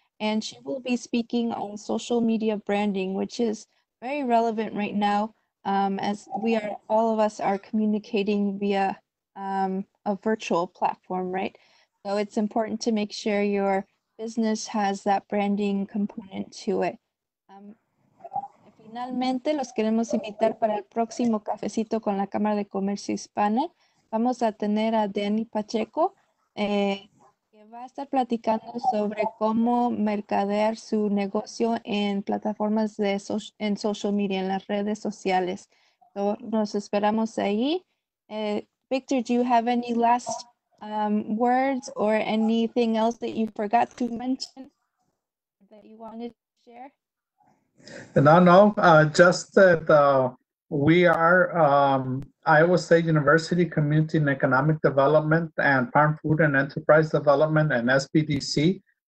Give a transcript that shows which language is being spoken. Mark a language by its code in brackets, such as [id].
[en] And she will be speaking on social media branding, which is very relevant right now. As we are, all of us are communicating via a virtual platform, right? So it's important to make sure your business has that branding component to it. [es] Finalmente, los queremos invitar para el próximo Cafecito con la Cámara de Comercio Hispana. Vamos a tener a Dani Pacheco, que que va a estar platicando sobre cómo mercadear su negocio en plataformas de en social media, en las redes sociales. So, nos esperamos ahí. [en] Victor, do you have any last words or anything else that you forgot to mention that you wanted to share? We are Iowa State University Community and Economic Development and Farm Food and Enterprise Development and SBDC.